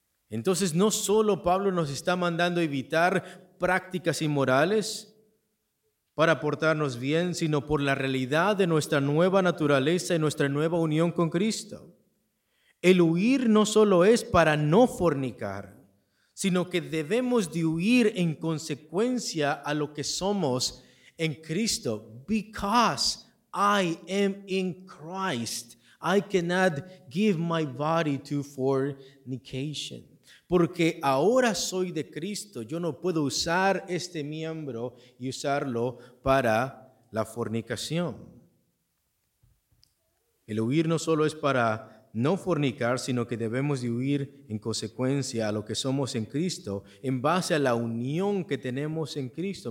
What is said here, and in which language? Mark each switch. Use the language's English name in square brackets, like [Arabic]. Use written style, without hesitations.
[Spanish] Entonces, no solo Pablo nos está mandando evitar prácticas inmorales para portarnos bien, sino por la realidad de nuestra nueva naturaleza y nuestra nueva unión con Cristo. El huir no solo es para no fornicar, sino que debemos de huir en consecuencia a lo que somos en Cristo. [English] Because I am in Christ, I cannot give my body to fornication. [Spanish] Porque ahora soy de Cristo, yo no puedo usar este miembro y usarlo para la fornicación. El huir no solo es para no fornicar, sino que debemos de huir en consecuencia a lo que somos en Cristo, en base a la unión que tenemos en Cristo.